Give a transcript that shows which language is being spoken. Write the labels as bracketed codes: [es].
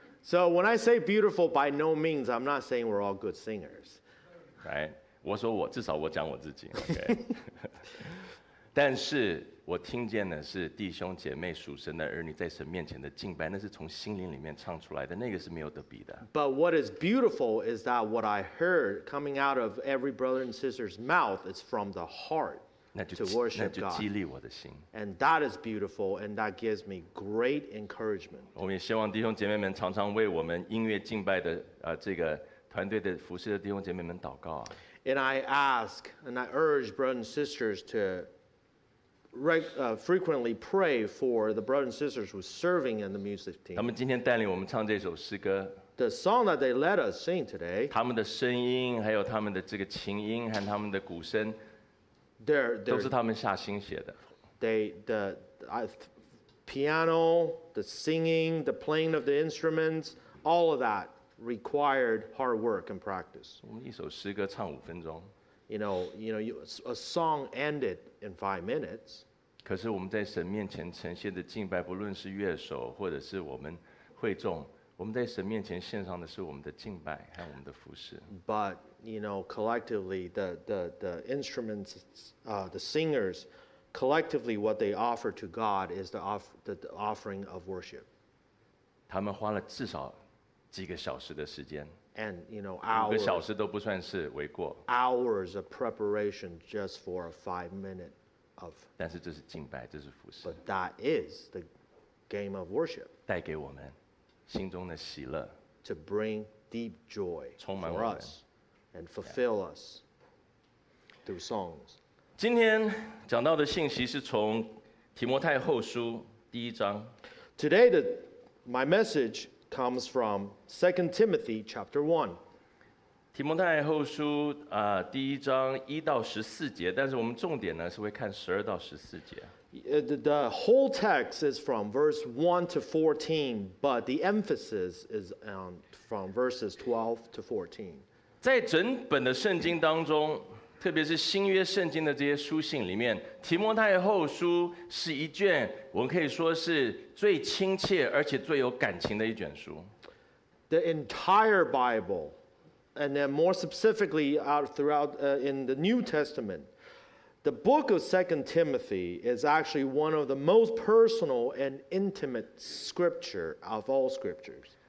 [en] So when I say beautiful, by no means, I'm not saying we're all good singers. Right? [zh] 我说我至少我讲我自己。 [en] Okay. [zh] 但是我听见的是弟兄姐妹属神的儿女在神面前的敬拜，那是从心灵里面唱出来的，那个是没有得比的。 [en] But what is beautiful is that what I heard coming out of every brother and sister's mouth is from the heart to worship God. [zh] 那就激励我的心。 [en] And that is beautiful, and that gives me great encouragement. [zh] 我们也希望弟兄姐妹们常常为我们音乐敬拜的这个。团队的服事的弟兄姐妹们祷告啊。 [en] And I ask and I urge brothers and sisters to frequently pray for the brothers and sisters who are serving in the music team. [zh] 他们今天带领我们唱这首诗歌。 [en] The song that they let us sing today. [zh] 他们的声音，还有他们的这个琴音和他们的鼓声。都是他们下心写的。 [en] Piano, the singing, the playing of the instruments, all of that required hard work and practice. [zh] 我们一首诗歌唱五分钟。 [en] A song ended in 5 minutes. [zh] 可是我们在神面前呈现的敬拜，不论是乐手或者是我们会众，我们在神面前献上的是我们的敬拜和我们的服事。 [en] But you know, collectively, the instruments, the singers, collectively, what they offer to God is the offering of worship. [zh] 他们花了至少几个小时的时间。 [en] And you know, hours. [zh] 五个小时都不算是为过。 [en] Hours of preparation just for a 5 minute of. [zh] 但是这是敬拜，这是服事。 [en] But that is the game of worship. [zh] 带给我们心中的喜乐。 [en] To bring deep joy for us. And fulfill us through songs. [zh] 今天讲到的信息是从提摩太后书第一章。 [en] Today, my message comes from 2 Timothy chapter 1. [zh] 提摩太后书第一章一到十四节，但是我们重点呢是会看十二到十四节。 [en] The whole text is from verse 1 to 14, but the emphasis is on from verses 12 to 14. [zh] 在整本的圣经当中，特别是新约圣经的这些书信里面，提摩太后书是一卷我们可以说是最亲切而且最有感情的一卷书。 [en] The entire Bible, and then more specifically out throughout in the New Testament, the book of 2 Timothy is actually one of the most personal and intimate scripture of all scriptures.